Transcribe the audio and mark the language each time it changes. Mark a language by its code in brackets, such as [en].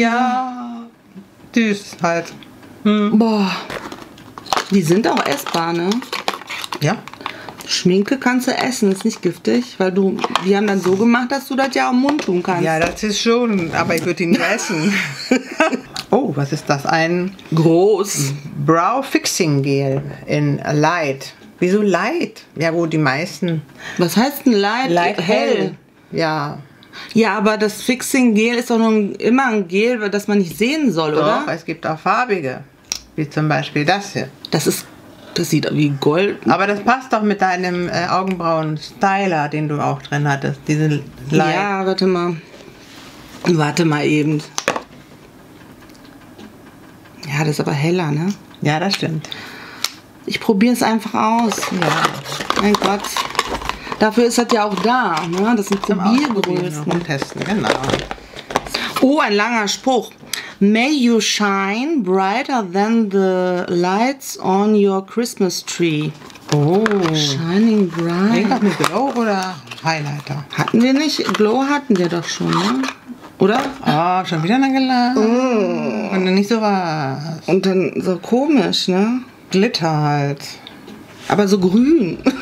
[de] Ja. Süß halt. Boah. Die sind auch essbar, ne? Ja. Schminke kannst du essen, ist nicht giftig, weil du. Die haben dann so gemacht, dass du das ja auch im Mund tun kannst. Ja, das ist schon, aber ich würde ihn nicht essen. Oh, was ist das? Ein. Groß. [en] Brow Fixing Gel in Light. [de] Wieso Light? Ja, wo die meisten. Was heißt denn Light? Light hell. Ja. Ja, aber das Fixing Gel ist doch nur immer ein Gel, das man nicht sehen soll, doch, oder? Doch, es gibt auch farbige. Wie zum Beispiel das hier. Das sieht wie Gold. Aber das passt doch mit deinem Augenbrauen-Styler, den du auch drin hattest. Diese Light. Ja, warte mal. Warte mal eben. Ja, das ist aber heller, ne? Ja, das stimmt. Ich probiere es einfach aus. Ja. Mein Gott. Dafür ist das ja auch da, ne? Das sind Probiergrößen. Und testen, genau. Oh, ein langer Spruch. [en] May you shine brighter than the lights on your Christmas tree. [de] Oh. [en] Shining bright. [de] Ich dachte, Glow oder Highlighter. Hatten wir nicht? Glow hatten wir doch schon, ne? Oder? Ah, oh, schon wieder nachgeladen. Oh. Und dann nicht sowas. Und dann so komisch, ne? Glitter halt. Aber so grün.